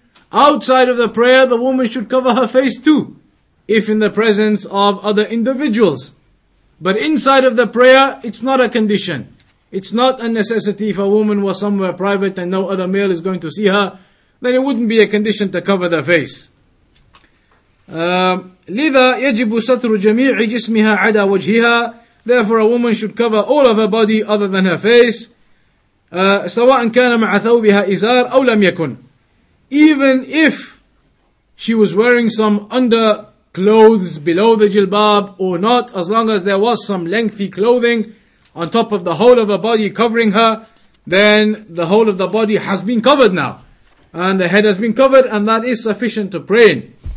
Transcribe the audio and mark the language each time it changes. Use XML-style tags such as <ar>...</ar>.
<en>Outside of the prayer, the woman should cover her face too, if in the presence of other individuals. But inside of the prayer, it's not a condition. It's not a necessity. If a woman was somewhere private and no other male is going to see her, then it wouldn't be a condition to cover the face.</en> <ar>لذا يجب ستر جميع جسمها عدا وجهها.</ar> <en>Therefore, a woman should cover all of her body other than her face.</en> <ar>سواء كان مع ثوبها إزار أو لم يكن.</ar> <en>Even if she was wearing some under clothes below the jilbab or not, as long as there was some lengthy clothing on top of the whole of her body covering her, then the whole of the body has been covered now. And the head has been covered, and that is sufficient to pray in.</en>